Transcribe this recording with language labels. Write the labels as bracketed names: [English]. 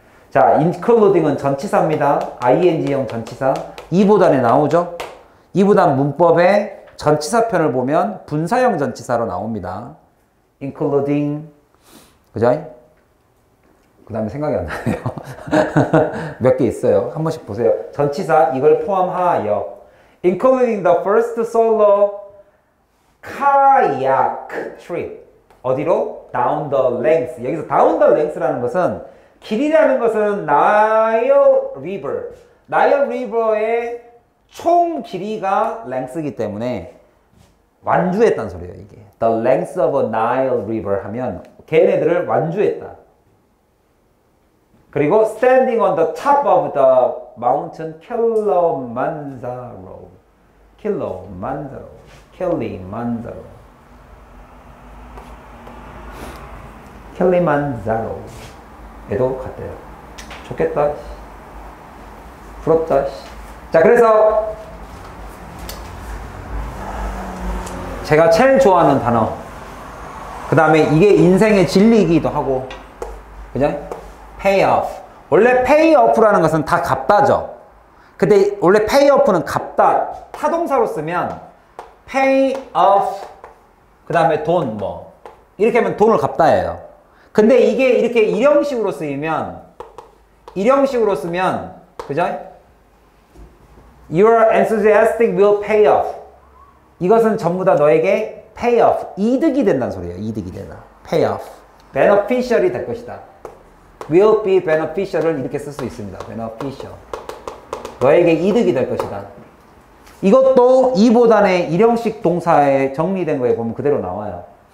[Korean] 자, including은 전치사입니다. ing형 전치사. 2부단에 나오죠. 2부단 문법에 전치사편을 보면 분사형 전치사로 나옵니다. including 그죠? 그 다음에 생각이 안 나네요. 몇 개 있어요. 한 번씩 보세요. 전치사 이걸 포함하여 [English] including the first solo kayak trip. [Korean] 어디로? [English] down the length. [Korean] 여기서 [English] down the length [Korean] 라는 것은 길이라는 것은 Nile River. Nile River의 총 길이가 length이기 때문에 완주했다는 소리예요. 이게 [English] the length of a Nile River [Korean] 하면 걔네들을 완주했다. [English] 그리고 standing on the top of the mountain Kilimanjaro. Kilimanjaro. Kilimanjaro. [Korean] Kilimanjaro. 에도 갔대요. 좋겠다. 부럽다. 자, 그래서 제가 제일 좋아하는 단어. 그다음에 이게 인생의 진리이기도 하고. 그죠? [English] pay off. [Korean] 원래 payoff라는 것은 다 갚다죠. 근데 원래 payoff는 갚다. 타동사로 쓰면 pay off 그 다음에 돈 뭐 이렇게 하면 돈을 갚다예요. 근데 이게 이렇게 일형식으로 쓰이면 일형식으로 쓰면 그죠? [English] Your enthusiastic will pay off. [Korean] 이것은 전부 다 너에게 payoff 이득이 된다는 소리예요. 이득이 된다. payoff beneficial이 될 것이다. [English] will be beneficial [Korean] 을 이렇게 쓸 수 있습니다. [English] beneficial. [Korean] 너에게 이득이 될 것이다. 이것도 2보단의 일형식 동사에 정리된 거에 보면 그대로 나와요.